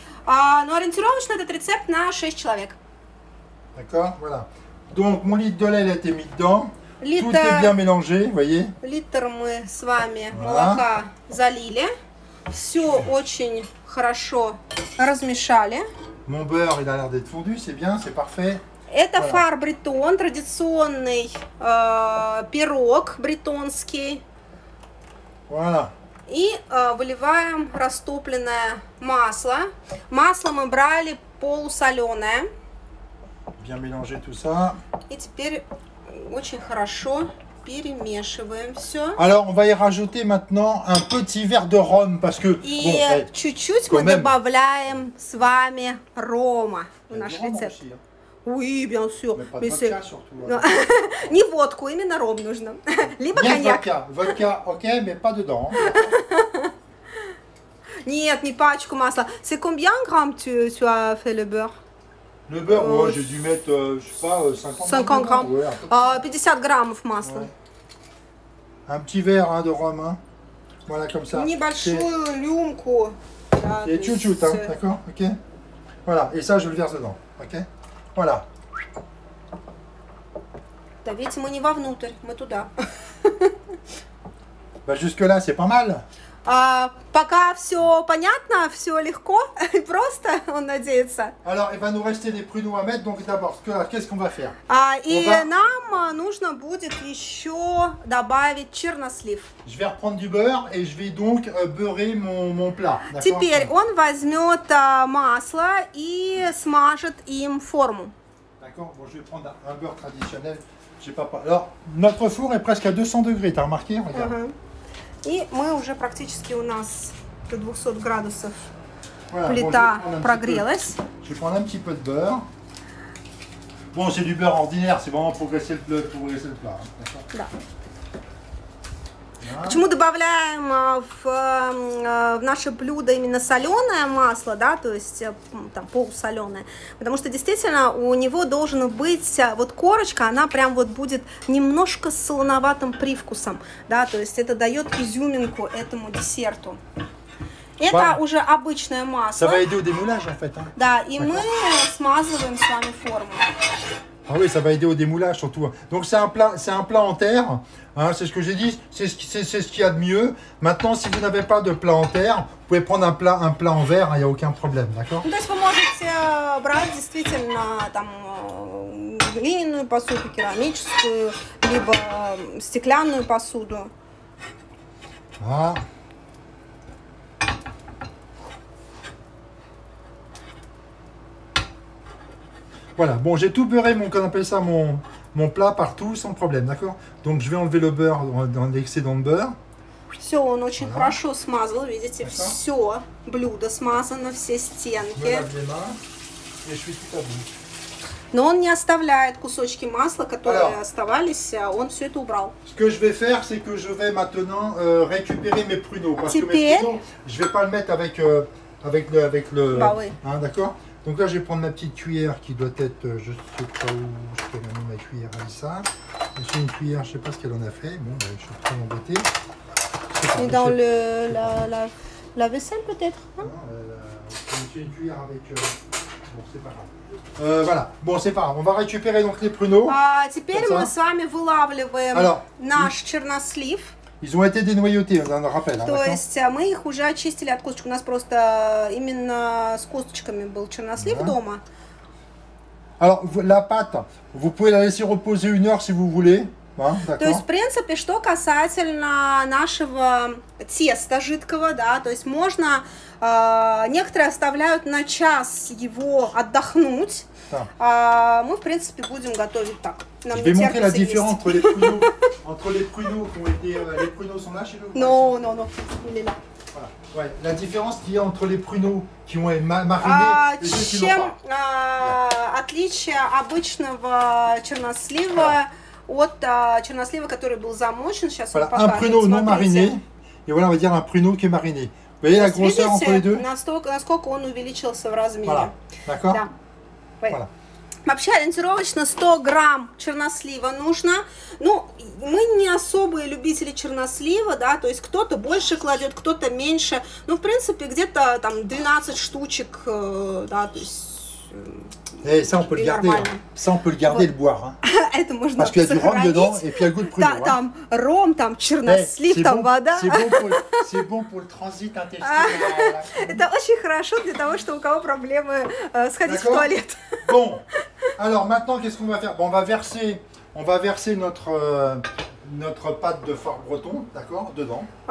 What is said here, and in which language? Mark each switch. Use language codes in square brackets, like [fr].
[ru] Ориентировочно этот рецепт на 6 человек. [fr] D'accord, voilà. Donc mon litre de lait a été mis dedans. Tout est bien mélangé, voyez. [ru] Литр мы с вами молока залили. Все очень хорошо размешали. [fr] Mon beurre, il a l'air d'être fondu, c'est bien, c'est parfait. [ru] Это фар бретон, традиционный пирог бретонский. [fr] Voilà. [ru] И выливаем растопленное масло. Масло мы брали полусоленое. [fr] Bien mélanger tout ça. [ru] И теперь очень хорошо перемешиваем все. [fr] Alors, on va y rajouter maintenant un petit verre de rhum, parce que... [ru] И [fr] bon, [ru] чуть-чуть мы [fr] même... [ru] добавляем с вами рома в наш рецепт. [fr] Oui, bien sûr. Mais c'est... Surtout, [ru] не водку, именно ром нужно. Либо нет, коньяк. [fr] Водка, ok, mais pas dedans. [ru] Нет, не пачку масла. [fr] C'est combien grammes tu as fait le beurre? Le beurre, moi, j'ai dû mettre, je sais pas, 50 grammes. 50 grammes [ru] масла. [fr] Ouais. Un petit verre hein, de rhum, hein. Voilà, comme ça. [ru] Небольшую рюмку. [fr] Et tchou-tchou, hein, d'accord, ok. Voilà, et ça, je le verse dedans, ok. Voilà. [ru] Да ведь мы не вовнутрь, мы туда. [fr] Bah, jusque-là, c'est pas mal. [ru] Пока все понятно, все легко и просто, он надеется. [fr] Alors, il va nous rester des pruneaux à mettre, donc d'abord, qu'est-ce qu'on va faire? [ru] Нам нужно будет еще добавить чернослив. [fr] Je vais reprendre du beurre et je vais donc beurrer mon plat. [ru] Теперь он возьмет масло и смажет им форму. [fr] D'accord. Bon, je vais prendre un beurre traditionnel. J'ai pas. Alors, notre four est presque à 200 degrés. T'as remarqué, regarde. [ru] И мы уже практически у нас до 200 градусов плита прогрелась. [fr] Je prends un petit peu de beurre. Bon, c'est du beurre ordinaire, c'est vraiment progresser le plat. Hein. [ru] Да. Почему добавляем в наше блюдо именно соленое масло, да, то есть там полусоленое? Потому что действительно у него должен быть вот корочка, она прям вот будет немножко с солоноватым привкусом, да, то есть это дает изюминку этому десерту. Это уже обычное масло. [fr] Ça va aider au démoulage, en fait, hein? [ru] Да, и мы смазываем с вами форму. [fr] Ah oui, ça va aider au démoulage surtout. Donc c'est un plat en terre, hein, c'est ce que j'ai dit, c'est ce qu'il y a de mieux. Maintenant, si vous n'avez pas de plat en terre, vous pouvez prendre un plat en verre, hein, il n'y a aucun problème, d'accord? Donc vous pouvez prendre, effectivement, une [ru] посуду керамическую, либо стеклянную посуду. Ah. [fr] Voilà, bon, j'ai tout beurré mon, qu'on appelle ça, mon plat partout sans problème, d'accord? Donc je vais enlever le beurre dans l'excédent de beurre. [ru] Все, он очень [fr] voilà. [ru] Хорошо смазал, видите, все блюдо смазано, все стенки. [fr] Je lave les mains et je suis tout à bout. [ru] Но он не оставляет кусочки масла, которые [fr] alors, [ru] оставались, он все это убрал. [fr] Ce que je vais faire, c'est que je vais maintenant récupérer mes pruneaux, parce [ru] теперь... [fr] que mes pruneaux, je vais pas le mettre avec avec le bah, oui. Hein, d'accord? Donc là, je vais prendre ma petite cuillère qui doit être, je ne sais pas où, je peux mettre ma cuillère à ça. C'est une cuillère, je ne sais pas ce qu'elle en a fait. Bon, ben, je suis très embêté. Et pas, dans le, la vaisselle, peut-être hein? Non, c'est une cuillère avec... bon, c'est pas grave. Voilà, bon, c'est pas grave. On va récupérer donc les pruneaux. Alors, чернослив. Ils ont été dénoyautés, on en rappelle. [ru] То есть мы их уже очистили от косточек. У нас просто именно с косточками был чернослив дома. [fr] Alors la pâte, vous pouvez la laisser reposer une heure si vous voulez. [ru] То есть, в принципе, что касательно нашего теста жидкого, да, то есть можно некоторые оставляют на час его отдохнуть. А мы, в принципе, будем готовить так. Нам [fr] je vais montrer la différence entre les pruneaux, qui ont été, les pruneaux sont là chez vous. Non, il est là. Voilà. Ouais, la différence qu'il y a entre les pruneaux qui ont été marinés et ceux [ru] чем, [fr] qui n'ont pas. [ru] Отличие обычного чернослива от чернослива, который был замочен. Сейчас [fr] voilà, un пруneau non mariné, et voilà, on va dire un pruneau qui est mariné. Vous voyez la grosseur entre les deux? [ru] Насколько он увеличился в размере. [fr] Voilà. D'accord? [ru] Да. [fr] Voilà. [ru] Вообще ориентировочно 100 грамм чернослива нужно. Ну, мы не особые любители чернослива, да, то есть кто-то больше кладет, кто-то меньше. Ну, в принципе, где-то там 12 штучек, да, то есть... [fr] Эй, ça on peut le garder, ça on peut le garder, le boire. [ru] Это можно [fr] Parce qu'il y a du rhum dedans, et puis il y a goût de pruneau. [ru] Да, там ром, там чернослив, там вода. [fr] C'est bon pour le transit intestinal. [ru] Это очень хорошо для того, что у кого проблемы сходить в туалет. [fr] Bon. Alors maintenant, qu'est-ce qu'on va faire? Bon, on va verser notre pâte de foire breton, d'accord, dedans.